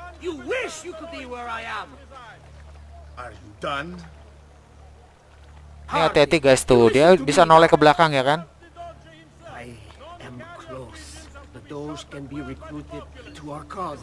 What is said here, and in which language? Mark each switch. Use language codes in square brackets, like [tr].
[en] You wish you could be where I am. Are you done? [id] Ini hati-hati guys tuh, dia bisa noleh ke belakang ya kan? [en] I am close. The Doge can be recruited to our cause.